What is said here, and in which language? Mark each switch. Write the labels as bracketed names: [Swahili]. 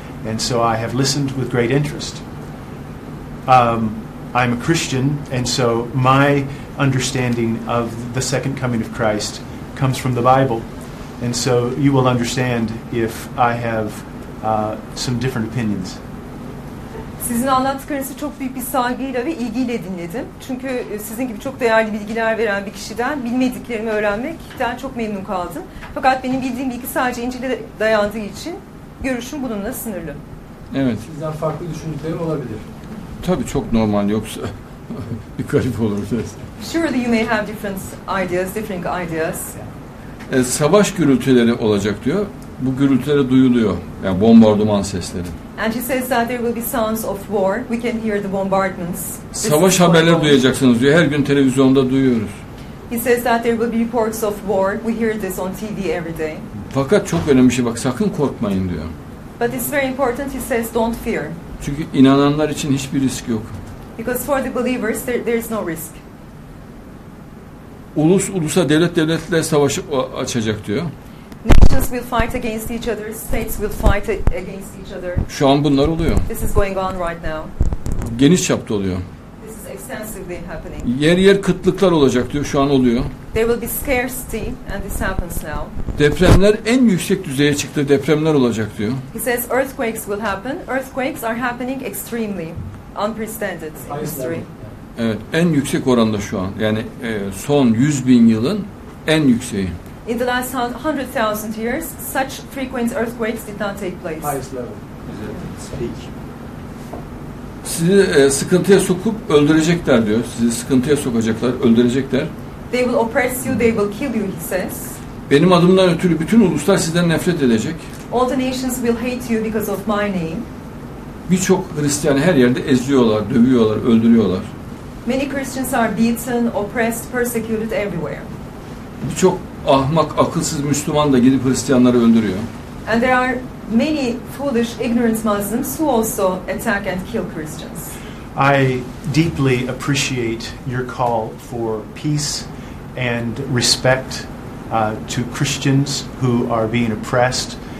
[English] And so I have listened with great interest. I'm a Christian, and so my understanding of the second coming of Christ comes from the Bible. And so you will understand if I have some different opinions. [Turkish] Sizin anlattıklarınızı çok büyük bir saygıyla ve ilgiyle dinledim. Çünkü sizin gibi çok değerli bilgiler veren bir kişiden bilmediklerimi öğrenmekten çok memnun kaldım. Fakat benim bildiğim bilgi sadece İncil'e dayandığı için görüşüm bununla sınırlı. Evet. Sizden farklı düşündüklerim olabilir. Tabii çok normal, yoksa bir garip olurdu. [English] Surely you may have different ideas, differing ideas. [Turkish] Savaş gürültüleri olacak diyor. Bu gürültüleri duyuluyor. Yani bombardıman sesleri. [English] And she says that there will be sounds of war. We can hear the bombardments. [Turkish] Savaş haberleri duyacaksınız diyor. Her gün televizyonda duyuyoruz. [English] He says that there will be reports of war. We hear this on TV every day. [Turkish] Fakat çok önemli şey, bak sakın korkmayın diyor. [English] But it's very important. He says don't fear. [Turkish] Çünkü inananlar için hiçbir risk yok. [English] Because for the believers there is no risk. [Turkish] Ulus ulusa, devlet devletle savaş açacak diyor. [English] Nations will fight against each other. States will fight against each other. [Turkish] Şu an bunlar oluyor. [English] This is going on right now. [Turkish] Geniş çapta oluyor. [English] This is extensively happening. [Turkish] Yer yer kıtlıklar olacak diyor. Şu an oluyor. [English] There will be scarcity and this happens now. [Turkish] Depremler en yüksek düzeye çıktı. Depremler olacak diyor. [English] He says earthquakes will happen. Earthquakes are happening extremely unprecedented in history. [Turkish] Evet, en yüksek oranda şu an. Yani son 100 bin yılın en yükseği. [English] In the last 100,000 years, such frequent earthquakes did not take place. [Turkish] Sizi sıkıntıya sokup öldürecekler diyor. Sizi sıkıntıya sokacaklar, öldürecekler. [English] They will oppress you, they will kill you, he says. [Turkish] Benim adımdan ötürü bütün uluslar sizden nefret edecek. [English] All the nations will hate you because of my name. [Turkish] Birçok Hristiyan her yerde eziyorlar, dövüyorlar, öldürüyorlar. [English] Many Christians are beaten, oppressed, persecuted everywhere. [Turkish] Birçok ahmak, akılsız Müslüman da gidip Hristiyanları öldürüyor. [English] And there are many foolish, ignorant Muslims who also attack and kill Christians. I deeply appreciate your call for peace and respect to Christians who are being oppressed.